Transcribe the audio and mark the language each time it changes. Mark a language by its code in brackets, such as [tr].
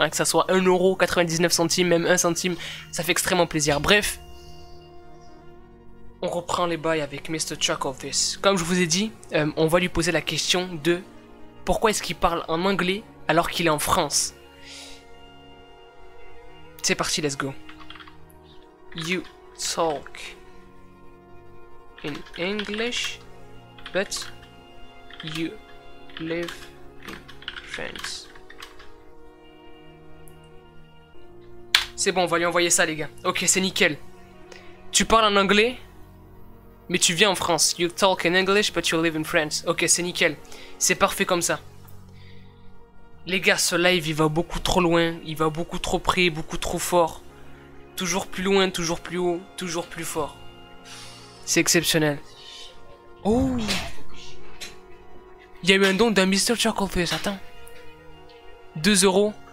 [fr] Hein, que ça soit 1,99€, même 1 centime, ça fait extrêmement plaisir. Bref, on reprend les bails avec Mr. Chuck Office. Comme je vous ai dit, on va lui poser la question de pourquoi est-ce qu'il parle en anglais alors qu'il est en France. C'est parti, let's go. [en] You talk in English, but you live in France. [fr] C'est bon, on va lui envoyer ça, les gars. Ok, c'est nickel. Tu parles en anglais? Mais tu viens en France. [en] You talk in English, but you live in France. [fr] Ok, c'est nickel. C'est parfait comme ça. Les gars, ce live, il va beaucoup trop loin. Il va beaucoup trop près, beaucoup trop fort. Toujours plus loin, toujours plus haut, toujours plus fort. C'est exceptionnel. Oh! Il y a eu un don d'un Mr. Chuckleface. Attends. 2 euros.